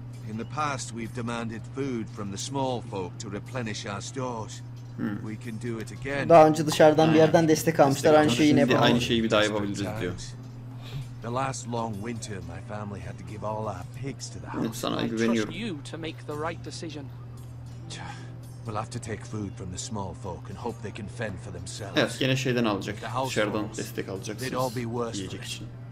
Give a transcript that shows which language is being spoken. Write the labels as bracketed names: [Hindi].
[English] In the past we've demanded food from the small folk to replenish our stores. We can do it again. [Turkish] Daha önce dışarıdan bir yerden destek almışlar aynı şeyi ne bileyim. Aynı şeyi bir daha yapabiliriz diyor. [English] The last long winter my family had to give all our pigs to the house. Sana güveniyorum. I trust you to make the right decision. We'll have to take food from the small folk and hope they can fend for themselves. [Turkish] Evet, gene şeyden alacak. Dışarıdan destek alacaksınız. Yiyecek için.